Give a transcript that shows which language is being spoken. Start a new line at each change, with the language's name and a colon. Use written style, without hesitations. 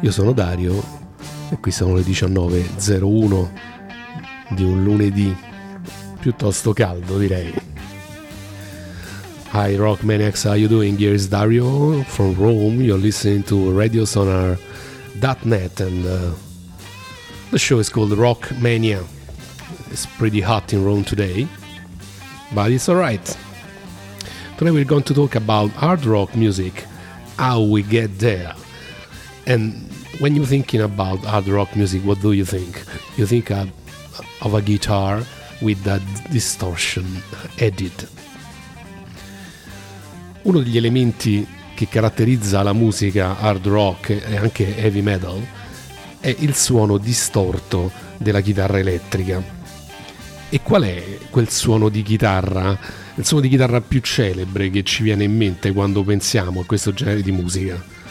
Italian: Io sono Dario e qui sono le 19.01 di un lunedì piuttosto caldo, direi.
English: Hi Rock Maniacs, how you doing? Here is Dario from Rome. You're listening to RadioSonar.net and the show is called Rock Mania. It's pretty hot in Rome today, but it's all right. Today we're going to talk about hard rock music, how we get there. And when you're thinking about hard rock music, what do you think? You think of a guitar with that distortion added.
Italian: Uno degli elementi che caratterizza la musica hard rock e anche heavy metal è il suono distorto della chitarra elettrica. E qual è quel suono di chitarra, il suono di chitarra più celebre che ci viene in mente quando pensiamo a questo genere di musica?